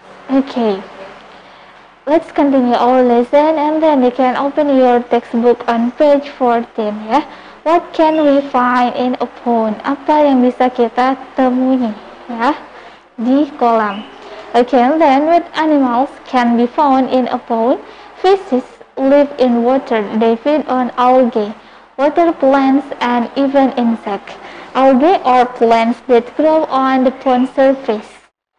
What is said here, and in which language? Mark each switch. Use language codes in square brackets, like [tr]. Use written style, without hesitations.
[en] Okay. Let's continue our lesson and then you can open your textbook on page 14, yeah? What can we find in a pond? [id] Apa yang bisa kita temui? Ya, di kolam. [en] Okay, then what animals can be found in a pond? Fishes live in water. They feed on algae, water plants, and even insects. Algae are plants that grow on the pond surface.